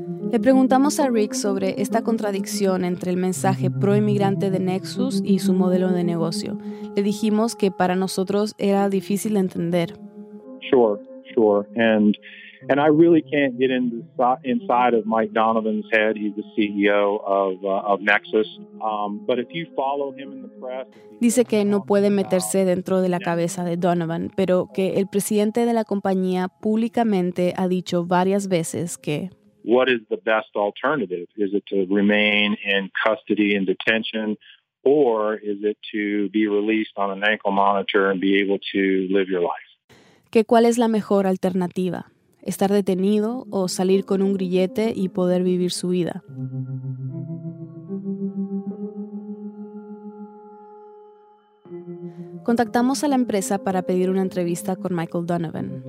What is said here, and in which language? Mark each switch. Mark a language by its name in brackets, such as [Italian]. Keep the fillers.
[Spanish] Le preguntamos a Rick sobre esta contradicción entre el mensaje pro inmigrante de Nexus y su modelo de negocio. Le dijimos que para nosotros era difícil de entender. [English] Sure, sure. And and I really can't get inside of Mike Donovan's head. He's the CEO of uh, of Nexus. Um, but if you follow him in the press, he... [Spanish] dice que no puede meterse dentro de la cabeza de Donovan, pero que el presidente de la compañía públicamente ha dicho varias veces que [English] what is the best alternative? Is it to remain in custody and detention, or is it to be released on an ankle monitor and be able to live your life? [Spanish] ¿Qué cuál es la mejor alternativa? ¿Estar detenido o salir con un grillete y poder vivir su vida? contactamos a la empresa para pedir una entrevista con Michael Donovan.